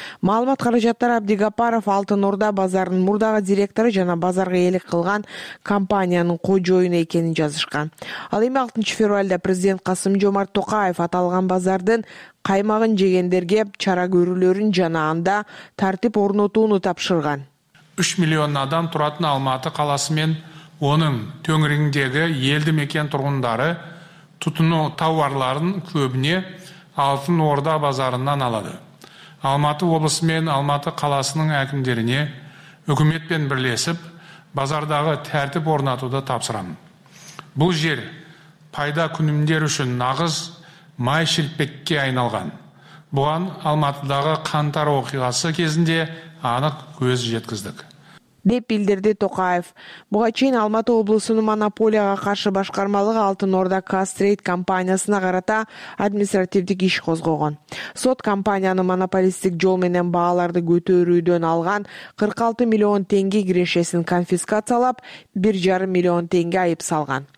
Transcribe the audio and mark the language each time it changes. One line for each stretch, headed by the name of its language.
Kyrgyz: Маалымат каражаттары Абдигапаров Алтын Орда базарынын мурдагы директору жана базарга ээлик кылган компаниянын кожоюну экенин жазышкан. Ал эми 6 февралда президент Касым Жомарт Токаев аталган базардын каймагын жегендерге чара көрүүлөрүн жана анда тартип орнотууну тапшырган.
Kazakh: 3 миллион адам тұратын Алматы қаласы мен оның төңірегіндегі елді мекен тұрғындары тұтыну тауарларын көбіне Алтын Орда базарынан алады. Алматы облысы мен Алматы қаласының әкімдеріне үкіметпен бірлесіп базардағы тәртіп орнатуды тапсырамын. Бұл жер пайда күнімдер үшін нағыз май шелпекке айналған. Бұған Алматыдағы қантар оқиғасы кезінде анық көз жеткіздік.
Kyrgyz: Деп билдирди Токаев. Буга чейин Алматы облусунун монополияга каршы башкармалыгы Алтын Орда Кастрейт компаниясына карата административдик иш козгогон. Сот компанияны монополисттик жол менен бааларды көтөрүүдөн алган 46 миллион теңге кирешесин конфискациялап, 1,5 миллион теңге айып салган.